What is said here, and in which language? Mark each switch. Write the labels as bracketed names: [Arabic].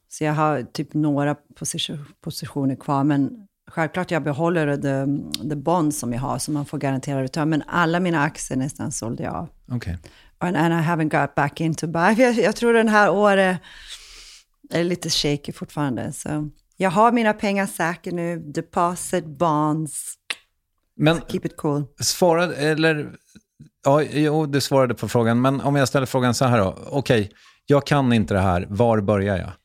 [Swedish] Så jag har typ några positioner kvar, men självklart jag behåller [English] the bond [Swedish] som jag har, så man får garantera return, men alla mina aktier nästan sålde jag. Okay. [English] And I haven't got back into buy. [Swedish] Jag tror den här året är lite shaky fortfarande, så jag har mina pengar säkert nu, deposit, bonds. Men [English] so keep it cool. [Swedish] Svarade, eller ja, jo, du svarade på frågan, men om jag ställer frågan så här då. Okej. Okay. Jag kan inte det här. Var börjar jag?